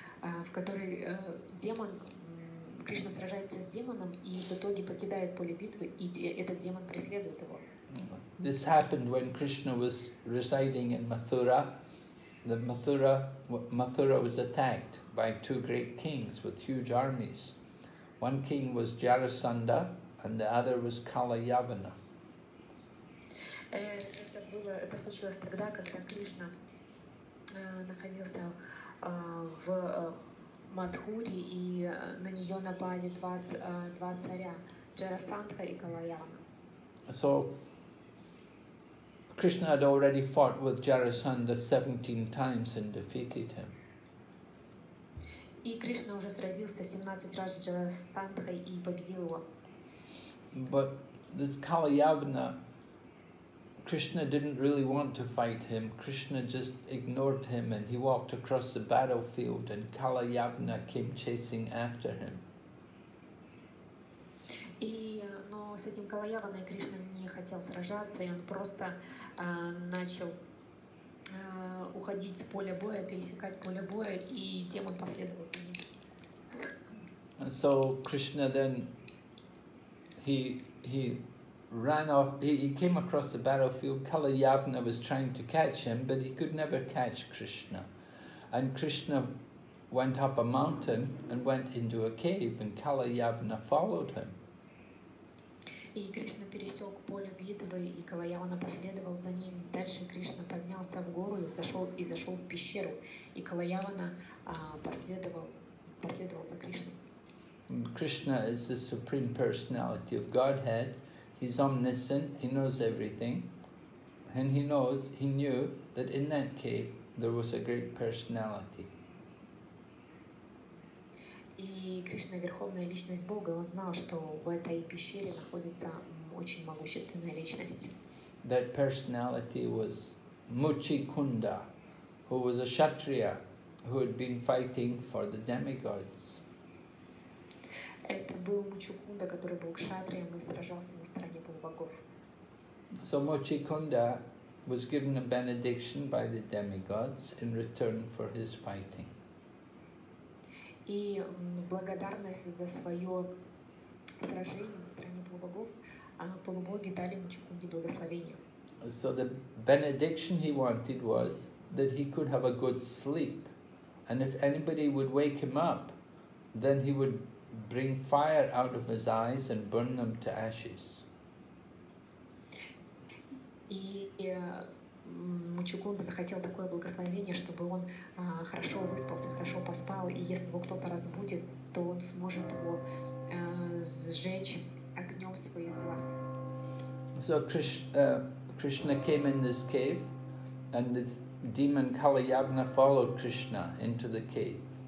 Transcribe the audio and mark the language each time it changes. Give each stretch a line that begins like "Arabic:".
Russian: В которой демон, Кришна сражается с демоном и в итоге покидает поле битвы, и этот демон преследует его.
English: This happened when Krishna was residing in Mathura. Mathura was attacked by two great kings with huge armies. One king was Jarasandha, and the other was Kalayavana.
Russian: Это случилось тогда, когда Кришна находился в Мадхури, и на нее напали два царя, Джарасандха и Калаяна.
English: So, Krishna had already fought with Jarasandha 17 times and defeated him.
Russian: И Кришна уже сразился 17 раз с Джарасандхой и победил его.
English: But this Калаяна, Krishna didn't really want to fight him. Krishna just ignored him and he walked across the battlefield and Kalayavana came chasing after him.
Russian: Но с этим Калаяваной Кришна не хотел сражаться, и он просто начал уходить с поля боя, пересекать поле боя, и тем он последовал за ним.
English: So Krishna then he ran off, he came across the battlefield, Kalayavana was trying to catch him, but he could never catch Krishna. And Krishna went up a mountain and went into a cave, and Kalayavana followed him.
Russian: И Кришна пересек поле битвы, и Калаявана последовал за ним. Дальше Кришна поднялся в гору и зашел в пещеру, и Калаявана последовал за Кришной.
English: Krishna is the Supreme Personality of Godhead. He's omniscient, he knows everything, and he knew that in that cave there was a great personality.
Russian: И Кришна, верховная личность Бога, он знал, что в этой пещере находится очень могущественная личность.
English: That personality was Muchikunda, who was a kshatriya who had been fighting for the demigods.
Russian: Это был Мучикунда, который был кшатрием и сражался на стороне полубогов.
English: So Мучикунда was given a benediction by the demigods in return for his fighting.
Russian: И благодарность за свое сражение на стороне полубогов, полубоги дали Мучикунде благословение.
English: So the benediction he wanted was that he could have a good sleep And if anybody would wake him up, then he would bring fire out of his eyes and burn them to ashes.
Russian: И Мучукунда захотел такое благословение, чтобы он хорошо выспался, хорошо поспал, и если его кто-то разбудит, то он сможет его сжечь огнем своих глаз.
English: So Krishna came in this cave, and the demon Kalayavna followed Krishna into the cave.